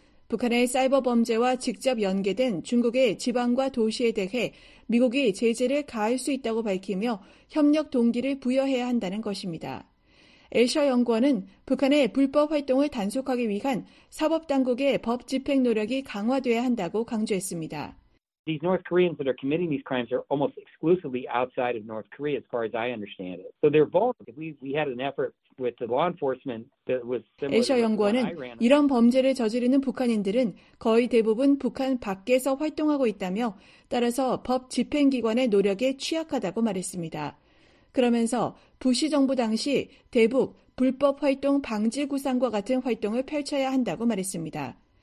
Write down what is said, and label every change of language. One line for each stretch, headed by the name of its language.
Korean: 북한의 사이버 범죄와 직접 연계된 중국의 지방과 도시에 대해 미국이 제재를 가할 수 있다고 밝히며 협력 동기를 부여해야 한다는 것입니다. 에셔 연구원은 북한의 불법 활동을 단속하기 위한 사법당국의 법 집행 노력이 강화돼야 한다고 강조했습니다.
English: These North Koreans that are committing these crimes are almost exclusively outside of North Korea, as far as I understand it. So they're vulnerable. We had an effort with the law enforcement that was similar.
Korean: 애셔 연구원은 이런 범죄를 저지르는 북한인들은 거의 대부분 북한 밖에서 활동하고 있다며 따라서 법 집행기관의 노력에 취약하다고 말했습니다. 그러면서 부시 정부 당시 대북 불법 활동 방지 구상과 같은 활동을 펼쳐야 한다고 말했습니다.